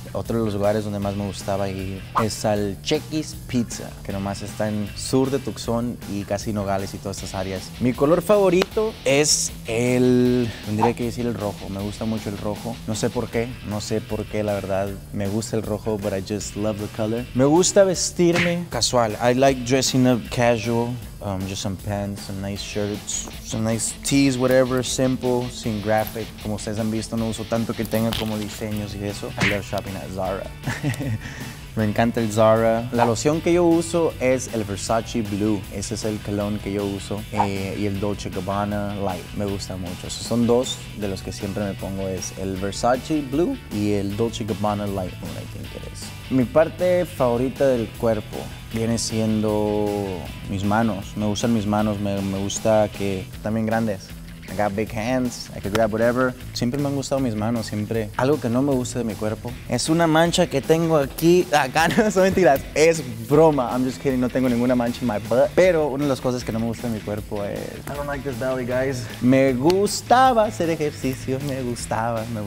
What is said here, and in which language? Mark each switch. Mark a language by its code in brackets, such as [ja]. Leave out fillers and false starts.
[es] Otro de los lugares donde más me gustaba ir es al Chequis Pizza, que nomás está en sur de Tucson y casi Nogales y todas estas áreas. Mi color favorito es el, tendría que decir el rojo, me gusta mucho el rojo. No sé por qué, no sé por qué, la verdad, me gusta el rojo, [en] but I just love the color. [es] Me gusta vestirme casual, [en] I like dressing up casual. Just some pants, some nice shirts, some nice tees, whatever, simple, [es] sin [en] graphic. [es] Como ustedes han visto, no uso tanto que tenga como diseños y eso. [en] I love shopping at Zara. [es] Me encanta el Zara. La loción que yo uso es el Versace Blue. Ese es el cologne que yo uso. Y el Dolce Gabbana Light. Me gusta mucho. Esos son 2 de los que siempre me pongo. Es el Versace Blue y el Dolce Gabbana Light Moon, [en] I think it is. [es] Mi parte favorita del cuerpo viene siendo mis manos. Me gustan mis manos. Me gusta que están bien grandes. [en] I got big hands, I could grab whatever. [es] Siempre me han gustado mis manos, siempre. Algo que no me gusta de mi cuerpo es una mancha que tengo aquí. Acá no son mentiras, es broma. [en] I'm just kidding, [es] no tengo ninguna mancha en [en] my butt. [es] Pero una de las cosas que no me gusta de mi cuerpo es, [en] I don't like this belly, guys. [es] Me gustaba hacer ejercicio, me gustaba.